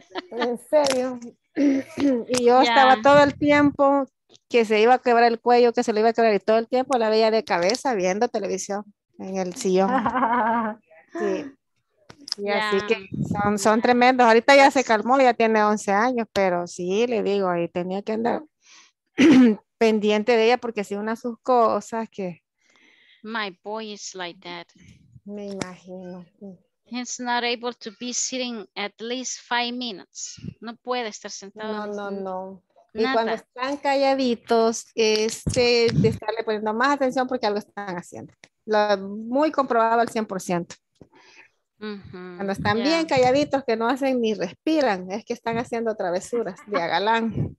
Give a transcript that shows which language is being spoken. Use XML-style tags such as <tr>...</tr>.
<es>En serio. Y yo estaba todo el tiempo que se iba a quebrar el cuello, que se le iba a quebrar, y todo el tiempo la veía de cabeza viendo televisión en el sillón. Sí. Y así que son tremendos. Ahorita ya se calmó, ya tiene 11 años, pero sí, le digo, ahí tenía que andar pendiente de ella porque hacía una de sus cosas que...</es> <en>My boy is like that.</en> <es>Me imagino.</es> <en>He's not able to be sitting at least 5 minutes.</en> <es>No puede estar sentado. No. Nada. Y cuando están calladitos, de estarle poniendo más atención porque algo están haciendo. Muy comprobado al 100%. Uh-huh. Cuando están bien calladitos, que no hacen ni respiran, es que están haciendo travesuras de agalán.</es>